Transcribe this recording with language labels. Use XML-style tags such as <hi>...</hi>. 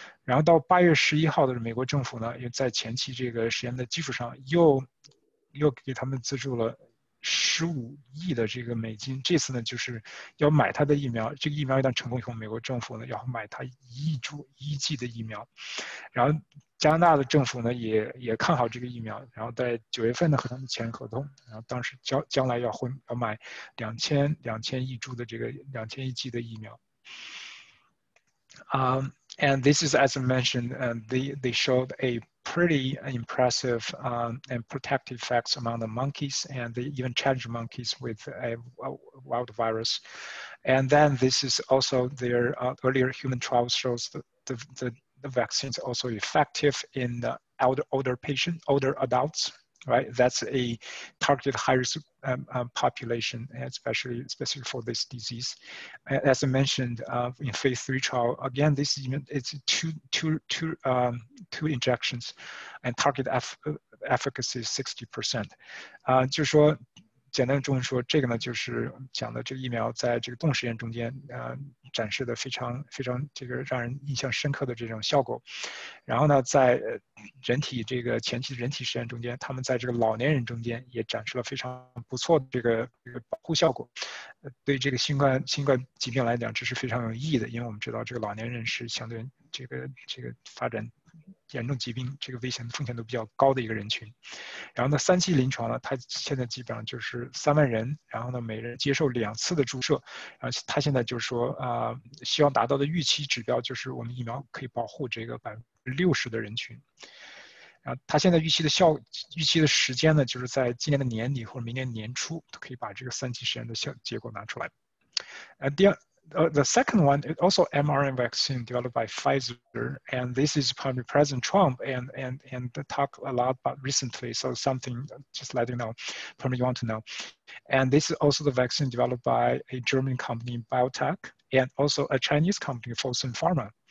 <zh>然后到8月11号的时候，美国政府呢又在前期这个实验的基础上又给他们资助了$15亿的这个美金，这次呢就是要买他的疫苗，这个疫苗一旦成功以后，美国政府呢要买他1亿剂的疫苗，然后。加拿大的政府呢也看好这个疫苗，然后在9月份呢和他们签合同，然后当时将来要买2000亿株的这个2000亿剂的疫苗。</zh> <en>And this is as I mentioned, they showed a pretty impressive and protective effects among the monkeys, and they even challenged monkeys with a wild virus. And then this is also their earlier human trials shows the vaccine is also effective in the older adults, right? That's a targeted high-risk population, especially for this disease. As I mentioned, in phase three trial, again, this is two injections and target efficacy 60%。</en> <zh>啊，就是说，简单的中文说，这个呢，就是讲的这个疫苗在这个动实验中间，展示的非常非常这个让人印象深刻的这种效果。然后呢，在人体这个前期的人体实验中间，他们在这个老年人中间也展示了非常不错的这个保护效果。对这个新冠疾病来讲，这是非常有意义的，因为我们知道这个老年人是相对这个发展严重疾病这个危险风险都比较高的一个人群。然后呢，三期临床呢，它现在基本上就是30,000人，然后呢每人接受2次的注射。然后它现在就是说希望达到的预期指标就是我们疫苗可以保护这个60%的人群。然后它现在预期的时间呢，就是在今年的年底或者明年年初都可以把这个三期实验的结果拿出来。</zh> <en>The second one is also mRNA vaccine developed by Pfizer, and this is probably President Trump and talk a lot about recently. So something, just letting know, probably you want to know. And this is also the vaccine developed by a German company, BioNTech, and also a Chinese company, Fosun Pharma.</en>